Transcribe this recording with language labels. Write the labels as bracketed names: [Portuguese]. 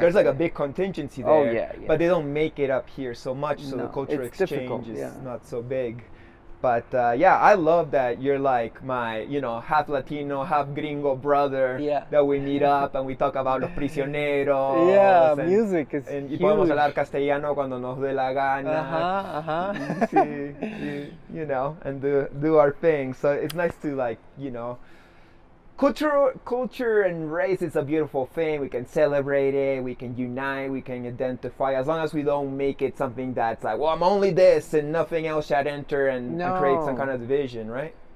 [English] There's like a big contingency there. Oh, yeah, yeah. But they don't make it up here so much, so the cultural exchange is not so big. But yeah, I love that you're like my, you know, half Latino, half gringo brother. Yeah. That we meet up and we talk about Los Prisioneros. Yeah, and, music is and huge. [Spanish] Y podemos hablar castellano cuando nos dé la gana. Uh-huh, uh-huh. [English] you know, and do our thing. So it's nice to like, you know, culture and race is a beautiful thing. We can celebrate it. We can unite. We can identify. As long as we don't make it something that's like, well, I'm only this and nothing else should enter and create some kind of division, right?